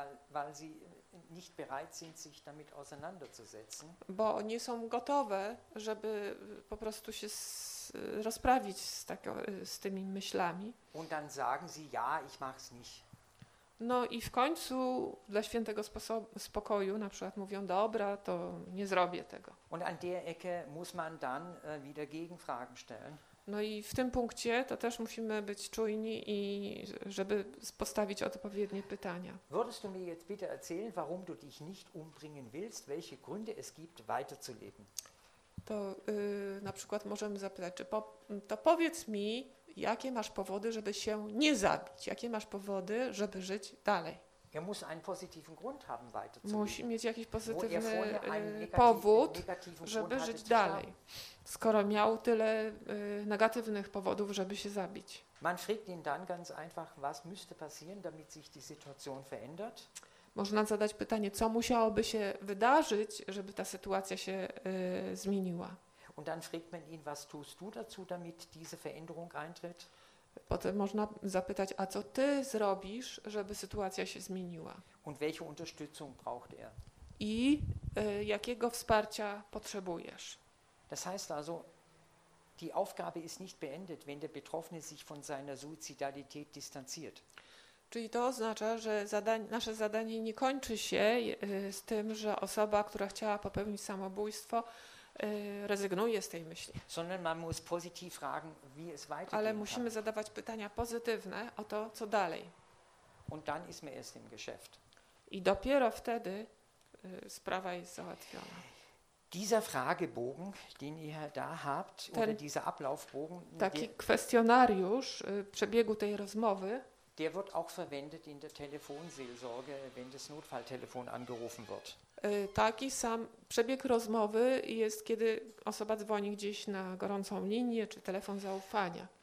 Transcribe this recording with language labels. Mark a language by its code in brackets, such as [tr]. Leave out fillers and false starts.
[de] Weil sie nicht bereit sind, sich damit auseinanderzusetzen. [pl] Bo nie są gotowe, żeby po prostu się rozprawić z tymi myślami. [de] Und dann sagen sie, ja, ich mach's nicht. [pl] No i w końcu dla świętego spokoju na przykład mówią, dobra, to nie zrobię tego. [de] Und an der Ecke muss man dann wieder Gegenfragen stellen. [pl] No i w tym punkcie to też musimy być czujni i żeby postawić odpowiednie pytania. [de] Würdest du mir jetzt bitte erzählen, warum du dich nicht umbringen willst, welche Gründe es gibt, weiterzuleben? [pl] To na przykład możemy zapytać, to powiedz mi, jakie masz powody, żeby się nie zabić? Jakie masz powody, żeby żyć dalej? [de] Er muss einen positiven Grund haben, weiterzuleben. [pl] Musi mieć jakiś pozytywny powód, żeby żyć dalej. Skoro miał tyle negatywnych powodów, żeby się zabić. [de] Man fragt ihn dann ganz einfach, was müsste passieren, damit sich die Situation verändert. [pl] Można zadać pytanie, co musiałoby się wydarzyć, żeby ta sytuacja się zmieniła. [de] Und dann fragt man ihn, was tust du dazu, damit diese Veränderung eintritt? [pl] Potem można zapytać, a co ty zrobisz, żeby sytuacja się zmieniła? [de] Und welche Unterstützung braucht er? [pl] I jakiego wsparcia potrzebujesz? [de] Das heißt also, die Aufgabe ist nicht beendet, wenn der Betroffene sich von seiner Suizidalität distanziert. [pl] Czyli to oznacza, że nasze zadanie nie kończy się z tym, że osoba, która chciała popełnić samobójstwo, rezygnuje z tej myśli. [de] Sondern man muss positiv fragen, wie es weitergeht. [pl] Ale musimy zadawać pytania pozytywne o to, co dalej. [de] Und dann ist man erst im Geschäft. [pl] I dopiero wtedy sprawa jest załatwiona. [de] Dieser Fragebogen, den ihr da habt, oder dieser Ablaufbogen, [pl] taki kwestionariusz przebiegu tej rozmowy, [de] der wird auch verwendet in der Telefonseelsorge, wenn das Notfalltelefon angerufen wird. [pl] Taki sam przebieg rozmowy jest, kiedy osoba dzwoni gdzieś na gorącą linię czy telefon zaufania.